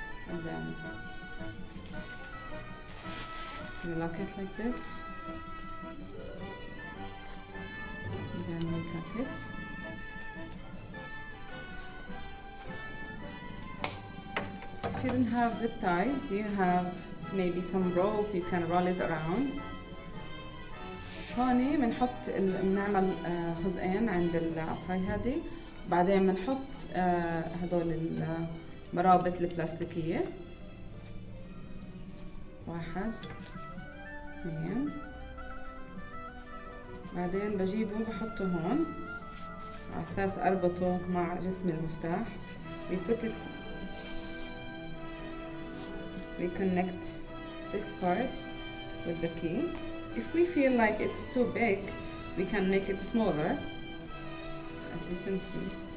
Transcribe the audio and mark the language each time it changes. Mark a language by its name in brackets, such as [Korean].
[English] And then we lock it like this, and then we cut it. If you don't have zip ties, you have maybe some rope, you can roll it around. [Arabic] هوني بنحط بنعمل خزقين عند العصاية هذه، بعدين بنحط هذول المرابط البلاستيكية. واحد اثنين بعدين بجيبه بحطه هون على أساس أربطه مع جسم المفتاح. [English] We put it, we connect this part with the key. If we feel like it's too big, we can make it smaller. As you can see.